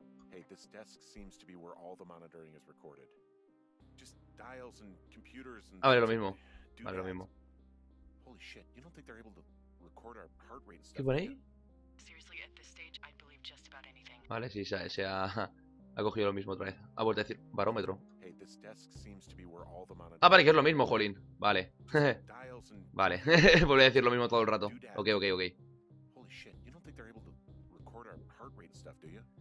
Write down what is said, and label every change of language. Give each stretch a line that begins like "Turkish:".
English: Hey, this desk seems to be where all the monitoring is recorded. Just dials and computers and
Spanish: a ver, lo mismo. Vale, lo mismo.
English: Holy shit, you don't think they're able to record our heart rate and stuff.
Spanish: ¿Qué pone ahí?
English: Seriously, at this stage, I'd believe just about anything.
Spanish: Vale, sí, se ha cogido lo mismo otra vez. Ha vuelto a decir barómetro.
English: Hey, this desk seems to be where all the monitors...
Spanish: Ah, vale, que es lo mismo, jolín. Vale. Vale, volví a decir lo mismo todo el rato.
English: Ok. Holy shit, you don't think they're able to record our heart rate and stuff, do you?